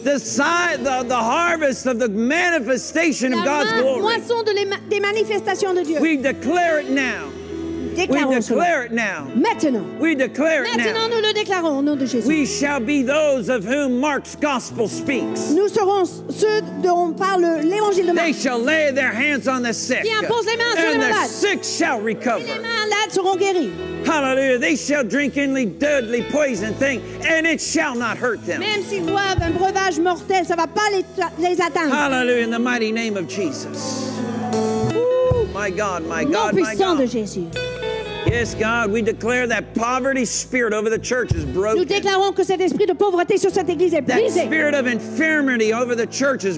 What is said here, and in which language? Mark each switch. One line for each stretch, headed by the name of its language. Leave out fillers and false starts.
English: The harvest of the manifestation
French: la
English: of God's glory.
French: La moisson de des manifestations de Dieu.
English: We declare it now. We declare it now.
French: Maintenant.
English: We declare it
French: Maintenant,
English: now.
French: Nous le déclarons, au nom de Jésus.
English: We shall be those of whom Mark's gospel speaks.
French: Nous serons ceux dont parle l'évangile de Marc.
English: They shall lay their hands on the sick.
French: Qui impose les mains
English: and
French: sur les
English: the
French: malades.
English: Sick shall recover.
French: Et les malades seront guéris.
English: Hallelujah. They shall drink any deadly poison thing, and it shall not hurt them.
French: Même s'ils boivent un breuvage mortel, ça va pas les atteindre.
English: Hallelujah. In the mighty name of Jesus. My God, my God, my God.
French: De Jésus.
English: Yes, God, we declare that poverty spirit over the church is broken.
French: Nous déclarons que cet esprit de pauvreté sur cette église est brisé.
English: That spirit of infirmity over the church is